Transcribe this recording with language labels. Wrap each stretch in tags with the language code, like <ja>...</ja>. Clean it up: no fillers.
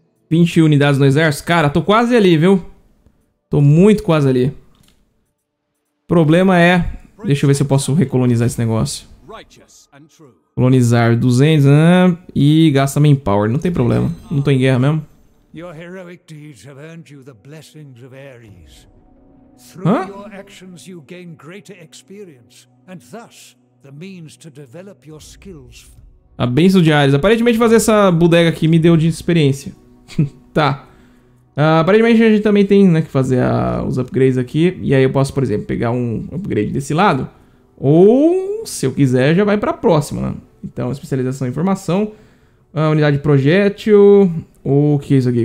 <pt>20 unidades no exército. Cara, tô quase ali, viu? Tô muito quase ali. Problema é... Deixa eu ver se eu posso recolonizar esse negócio. Colonizar 200, né? E gasta manpower. Não tem problema. Não tô em guerra mesmo.</pt> <en>Your heroic deeds have earned you the blessings of Ares. Through your actions, you gain greater experience, and thus the means to develop your skills.</en> <pt>A bênção de Ares. Aparentemente fazer essa bodega aqui me deu de experiência. Tá. Aparentemente a gente também tem, né, que fazer os upgrades aqui. E aí eu posso, por exemplo, pegar um upgrade desse lado. Ou, se eu quiser, já vai pra próxima, né? Então, especialização em formação. Unidade de projétil. O que é isso aqui?</pt>